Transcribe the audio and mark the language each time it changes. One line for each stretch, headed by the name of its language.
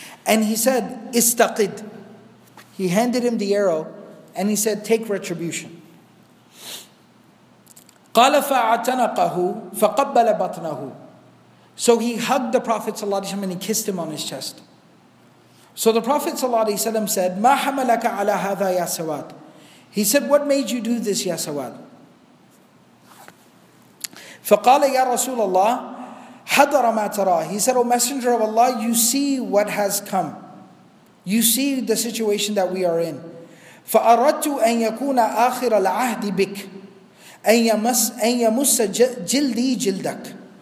English: And he said, istaqid. He handed him the arrow, and he said, take retribution.
Arabic: قَالَ فَعَتَنَقَهُ فَقَبَّلَ بَطْنَهُ.
English: So he hugged the Prophet ﷺ and he kissed him on his chest. So the Prophet ﷺ said,
Arabic: مَا حَمَلَكَ عَلَىٰ هَذَا يَا سَوَادِ.
English: He said, what made you do this,
Arabic: يَا سَوَادِ? فَقَالَ يَا رَسُولَ اللَّهِ حَضَرَ مَا تَرَىٰ.
English: He said, O Messenger of Allah, you see what has come. You see the situation that we are in.
Arabic: فَأَرَدْتُ أَن يَكُونَ آخِرَ الْعَهْدِ بِكَ أَن يَمُسَّ جِلْدِي جِلْدَكَ.